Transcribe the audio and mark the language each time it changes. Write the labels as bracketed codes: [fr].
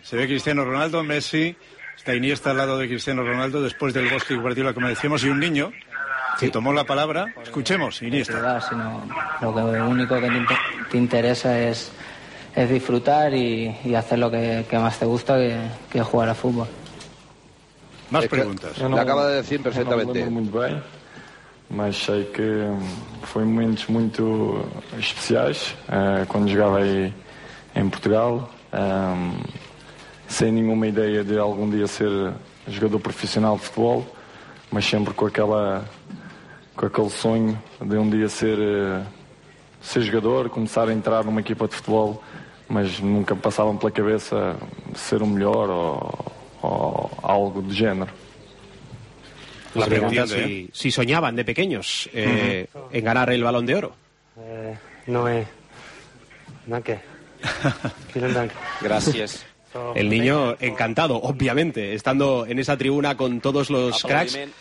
[es] Se ve Cristiano Ronaldo, Messi, está Iniesta al lado de Cristiano Ronaldo, después del Bosque y Guardiola, como decíamos, y un niño... Sí. Si tomó la palabra, escuchemos, Iniesta. Verdad, sino lo que único que te interesa es disfrutar y hacer lo que más te gusta, que jugar a fútbol. Más preguntas. No, acaba de decir perfectamente. No muy bien, [pt] mas sei que foi momentos muito especiais quando jogava aí em Portugal, sem nenhuma ideia de algum dia ser jogador profissional de futebol, mas sempre com aquela... com aquele sonho de um dia ser jogador, começar a entrar numa equipa de futebol, mas nunca passavam pela cabeça ser o melhor ou algo de género. [es] La pregunta es si soñaban de pequeños en ganar el Balón de Oro. [de] Danke. Vielen Dank. [es] Gracias. El niño encantado, obviamente, estando en esa tribuna con todos los cracks.